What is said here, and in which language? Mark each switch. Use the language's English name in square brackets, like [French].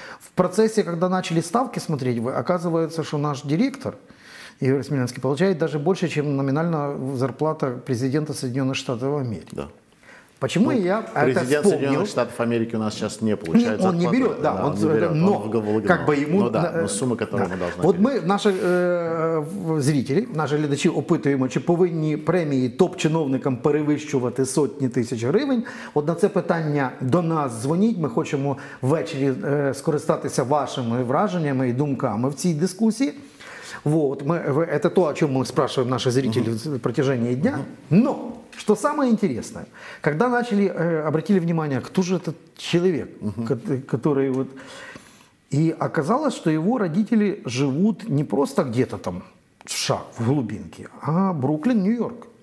[Russian] В процессе, когда начали ставки смотреть, оказывается, что наш директор Игорь Смелянский получает даже больше, чем номинальная зарплата президента Соединенных Штатов Америки. Да. Почему я это вспомнил? Президент Соединенных Штатов Америки у нас сейчас не получает зарплату. Он не берет, да. Он не берет, но сумма, которую мы должны... Вот мы, наши зрители, [Ukrainian] наши глядачі опитуємо, чи повинні премії топ-чиновникам перевищувати сотні тисяч гривень. От на це питання до нас дзвоніть. Ми хочемо ввечері скористатися вашими враженнями і думками в цій дискусії. [Russian] Вот, это то, о чем мы спрашиваем наши зрители в протяжении дня. Но, что самое интересное, когда начали, обратили внимание, кто же этот человек, который вот... И оказалось, что его родители живут не просто где-то там в США, в глубинке, а Бруклин, Нью-Йорк.